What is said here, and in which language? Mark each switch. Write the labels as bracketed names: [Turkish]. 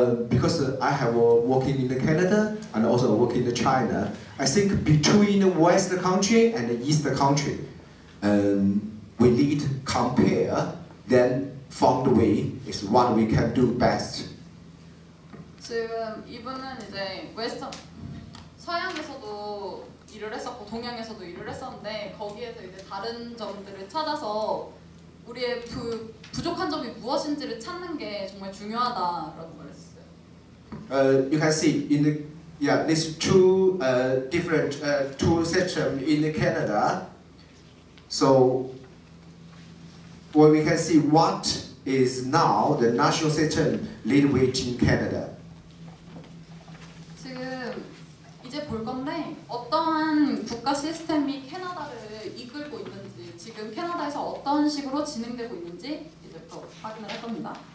[English] Because I have working in Canada and also working in China, I think between the West country and the East country, we need to compare, then find a way is what we can do best. [Korean] 지금 이분은 이제 웨스턴, 서양에서도 일을 했었고 동양에서도 일을 했었는데 거기에서 이제 다른 점들을 찾아서 우리의 부족한 점이 무엇인지를 찾는 게 정말 중요하다라고 말했어요. [English] You can see in the, yeah, these two different two systems in Canada. So well, we can see what is now the national system living wage in Canada. [Korean] 지금 이제 볼 건데 어떠한 국가 시스템이 캐나다를 이끌고 있는 지금 캐나다에서 어떤 식으로 진행되고 있는지 이제 또 확인을 할 겁니다.